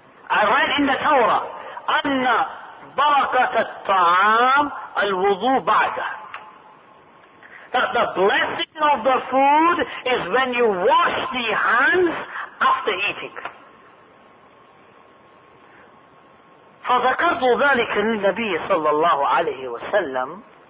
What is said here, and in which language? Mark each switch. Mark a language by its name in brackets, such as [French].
[Arabic] أن بركة الطعام الوضوء بعده. [English] That the blessing of the food is when you wash the hands after eating. [Arabic] فذكرت ذلك للنبي صلى الله عليه وسلم.